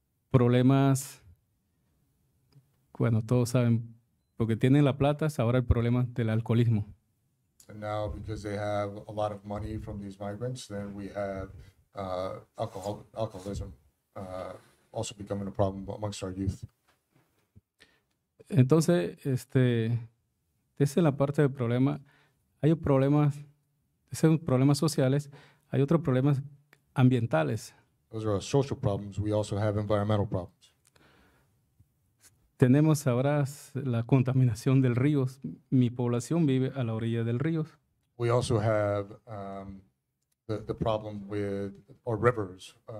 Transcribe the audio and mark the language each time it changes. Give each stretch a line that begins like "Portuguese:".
Spanish: problemas, bueno, todos saben, porque tienen la plata, ahora el problema del alcoholismo.
English: And now, because they have a lot of money from these migrants, then we have alcoholism also becoming a problem amongst our youth.
Spanish: Entonces, esa es la parte del problema. Hay problemas, esos son problemas sociales, hay otros problemas ambientales.
English: Those are social problems. We also have environmental problems.
Spanish: Tenemos ahora la contaminación del río. Mi población vive a la orilla del río.
English: We also have the problem with our rivers.